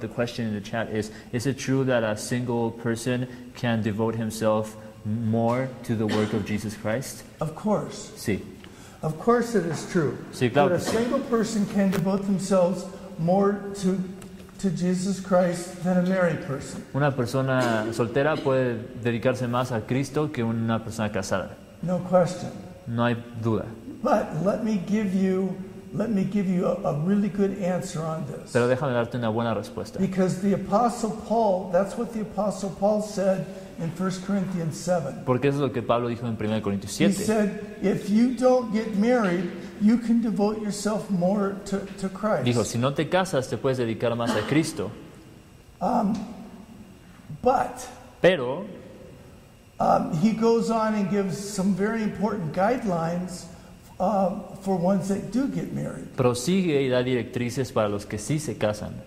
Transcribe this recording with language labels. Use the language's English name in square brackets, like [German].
[English] The question in the chat is it true that a single person can devote himself more to the work of Jesus Christ? Of course. [Spanish] Sí. [English] Of course it is true. [Spanish] Sí, claro. [English] That a single person can devote themselves more to Jesus Christ than a married person. [Spanish] Una persona soltera puede dedicarse más a Cristo que una persona casada. [English] No question. [Spanish] No hay duda. [English] But let me give you a really good answer on this. [Spanish] Pero déjame darte una buena respuesta. [English] Because the Apostle Paul, that's what the Apostle Paul said in 1 Corinthians 7. [Spanish] Porque eso es lo que Pablo dijo en 1 Corintios 7. [English] He said, if you don't get married, you can devote yourself more to Christ. [Spanish] Dijo, si no te casas, te puedes dedicar más a Cristo. [English] He goes on and gives some very important guidelines for ones that do get married. [Spanish] Prosigue y da directrices para los que sí se casan.